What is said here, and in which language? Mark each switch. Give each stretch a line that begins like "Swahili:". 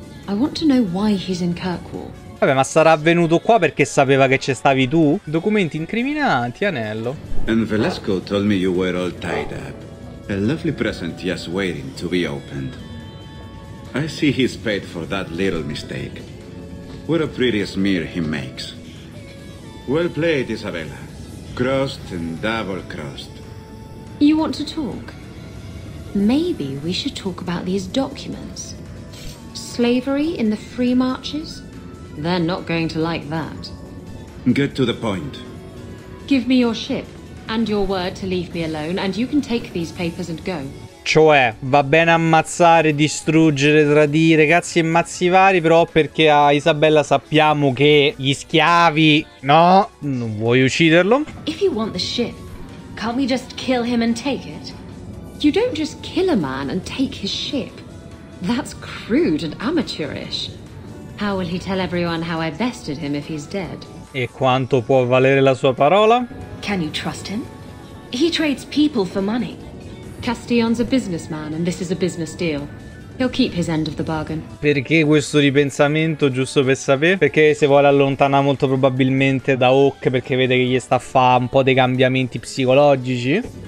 English: I want to know why he's in Kirkwall.
Italian: Vabbè, ma sarà venuto qua perché sapeva che ci stavi tu? Documenti incriminati, anello.
English: And Velasco told me you were all tied up. A lovely present just waiting to be opened. I see he's paid for that little mistake. What a pretty smear he makes. Well played, Isabella. Crossed and double crossed. You want to talk? Maybe we should talk about these documents. Slavery in the free marches? They're not going to like that. Get to the point. Give me your ship and your word to leave me alone, and you can take these papers and go.
Italian: Cioè, va bene ammazzare, distruggere, tradire, cazzi e mazzi vari, però perché a Isabella sappiamo che gli schiavi... No, non vuoi ucciderlo?
English: If you want the ship, can't we just kill him and take it? You don't just kill a man and take his ship. That's crude and amateurish. How will he tell everyone how I bested him if he's dead?
Italian: E quanto può valere la sua parola?
English: Can you trust him? He trades people for money. Castillon's a businessman and this is a business deal. He'll keep his end of the bargain.
Italian: Perché questo ripensamento, giusto per sapere? Perché se vuole allontana molto probabilmente da Hawk, perché vede che gli sta a fare un po' dei cambiamenti psicologici.